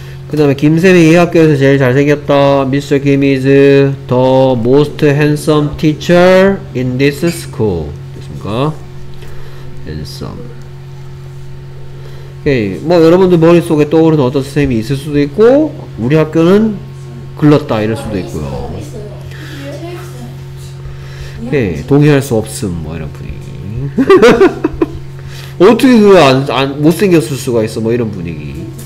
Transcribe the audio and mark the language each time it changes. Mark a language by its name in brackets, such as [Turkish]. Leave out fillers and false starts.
[Korean] 그 다음에 김쌤이 이 학교에서 제일 잘생겼다. [English] Mr. Kim is the most handsome teacher in this school. [Korean] 됐습니까? handsome. 오케이. 뭐 여러분들 머릿속에 떠오르는 어떤 선생님이 있을 수도 있고 우리 학교는 글렀다 이럴 수도 있고요. 오케이. 동의할 수 없음 뭐 이런 분위기. 어떻게 그 안 못생겼을 수가 있어 뭐 이런 분위기.